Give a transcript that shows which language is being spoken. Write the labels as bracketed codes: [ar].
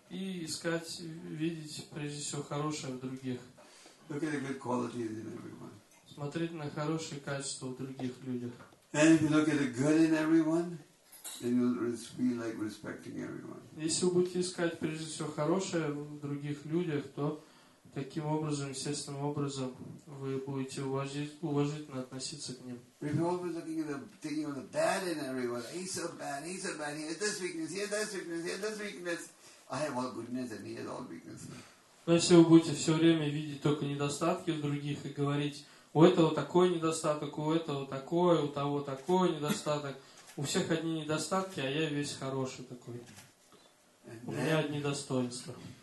[ru] И искать, видеть, прежде всего, хорошее в других. [en] Look at the good qualities in everyone. [ru] Смотреть на хорошие качества в других людях. [en] And if you look at the good in everyone, then you'll feel like respecting everyone. [ru] Если вы будете искать, прежде всего, хорошее в других людях, то таким образом, естественным образом, вы будете уважительно относиться к ним. [en] If you're always looking at the, thinking of the bad in everyone, he's so bad, he's so bad, he has this weakness, he has this weakness, he has this weakness. I have all goodness and he has all weaknesses. [ru] Но если вы будете все время видеть только недостатки в других и говорить, у этого такой недостаток, у этого такой, у того такой недостаток, у всех одни недостатки, а я весь хороший такой. У меня одни достоинства.